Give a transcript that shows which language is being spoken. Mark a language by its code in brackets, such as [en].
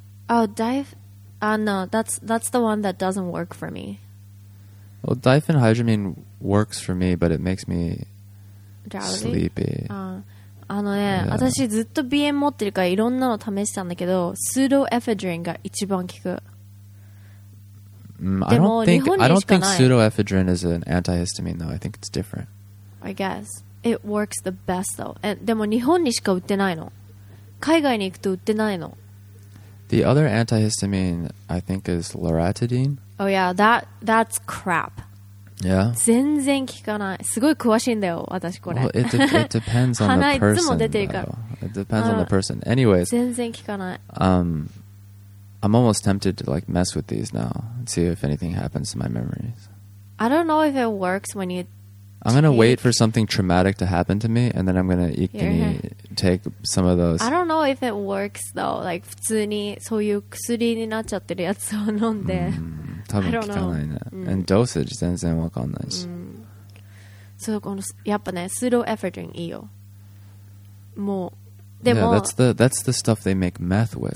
[en] No, that's the one that doesn't work for me. Well, diphenhydramine works for me, but it makes me sleepy. [ja] 私ずっと鼻炎持ってるからいろんなの試したんだけど、スードエフェドリンが一番効く。でも日本にしかない。 [en] I don't think スードエフェドリン is an antihistamine though. I think it's different. I guess. It works the best though. [ja] でも日本にしか売ってないの。海外に行くと売ってないの。 [en] The other antihistamine I think is loratadine. Oh yeah, that's crap. Yeah. [ja] 全然聞かない。すごい詳しいんだよ、私これ。 [en] Well, it depends on the person. It depends on the person. Anyways. [ja] 全然聞かない。 [en] I'm almost tempted to like mess with these now and see if anything happens to my memories. I don't know if it works when you take... I'm going to wait for something traumatic to happen to me and then I'm going to ikkini take some of those. I don't know if it works though. [ja] Like, 普通にそういう薬になっちゃってるやつを飲んで。多分効かないね。 [en] And dosage [ja] 全然わかんないし。そう、このやっぱね、スローエフェルトリンいいよ。もう。 [en] Yeah, that's the stuff they make meth with.